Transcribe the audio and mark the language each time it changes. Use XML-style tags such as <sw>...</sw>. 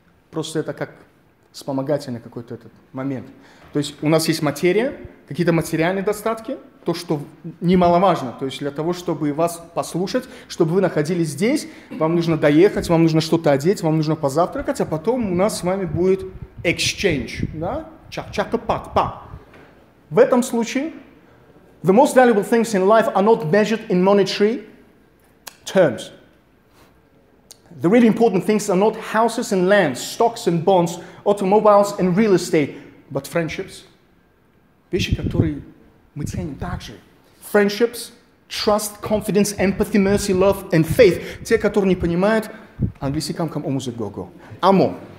<ru>Просто это как вспомогательный какой-то этот момент. То есть у нас есть материя, какие-то материальные достатки, то, что немаловажно. То есть для того, чтобы вас послушать, чтобы вы находились здесь, вам нужно доехать, вам нужно что-то одеть, вам нужно позавтракать, а потом у нас с вами будет exchange. Да? Чак-чак-пак-пак. В этом случае</ru> <en>the most valuable things in life are not measured in monetary terms. The really important things are not houses and lands, stocks and bonds, automobiles and real estate, but friendships.</en> <ru>Вещи, которые мы ценим также.</ru> <en>Friendships, trust, confidence, empathy, mercy, love and faith.</en> <ru>Те, которые не понимают английский, кам-кам, омузык, го-го. Амо.</ru>